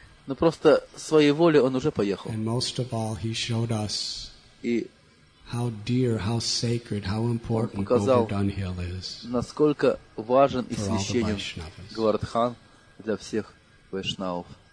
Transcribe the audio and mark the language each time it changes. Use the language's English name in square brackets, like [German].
[Russian] Но просто своей воле он уже поехал. [English] And most of all, he showed us how dear, how sacred, how important Govardhan Hill is. [Russian] Насколько важен и священен Говардхан для всех вайшнавов.